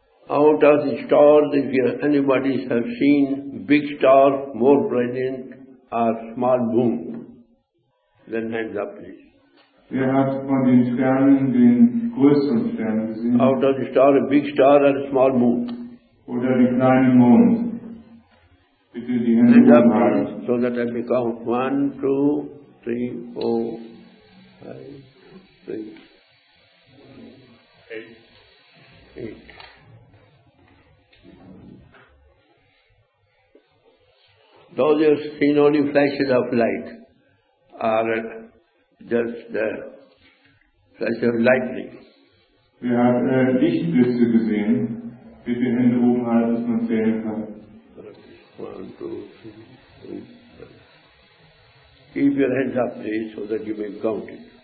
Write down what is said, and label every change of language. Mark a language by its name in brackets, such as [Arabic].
[English] out of the stars, if anybody has seen big star more brilliant or small moon, then hands up please. [German] Wer hat von den Sternen den größeren Stern gesehen? [English] Out of the star, a big star or a small moon? [German] Oder den kleinen Mond? Bitte die Hände hochhalten. [English] So that I may count. 1, 2, 3, 4, 5, 6, 8. Those who have seen only flashes of light are just the flash of lightning. [German] Wer hat Lichtblitze gesehen? Bitte Hände hochhalten, dass man zählen kann. [English] 1, 2, 3, 4. Keep your hands up, please, so that you may count it.